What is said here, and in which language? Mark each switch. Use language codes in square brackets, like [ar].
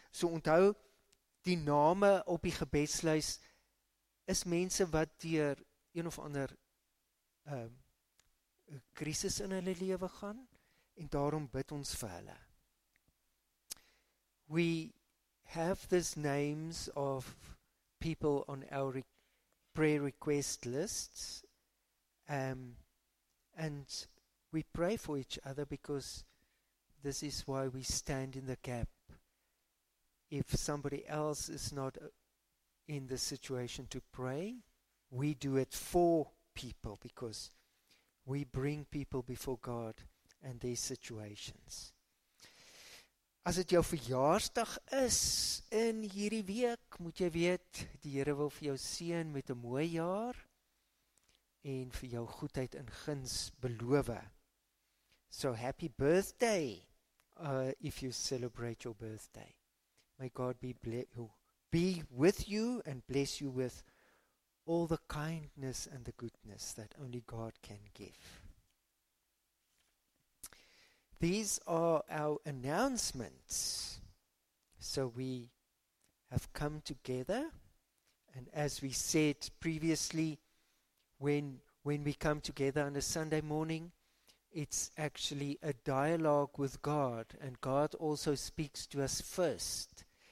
[af] So onthou, die name op die gebedslys is mense wat deur een of ander krisis in hulle lewe gaan, en daarom bid ons vir hulle. [en] We have these names of people on our prayer request lists, and we pray for each other because this is why we stand in the gap. If somebody else is not in the situation to pray, we do it for people because we bring people before God and their situations. [af] As het jou verjaarsdag is in hierdie week, moet jy weet, die Here wil vir jou seën met 'n mooi jaar en vir jou goedheid en guns beloof. [en] So happy birthday! If you celebrate your birthday, may God be with you and bless you with all the kindness and the goodness that only God can give. These are our announcements. So we have come together, and as we said previously, when we come together on a Sunday morning, it's actually a dialogue with God, and God also speaks to us first.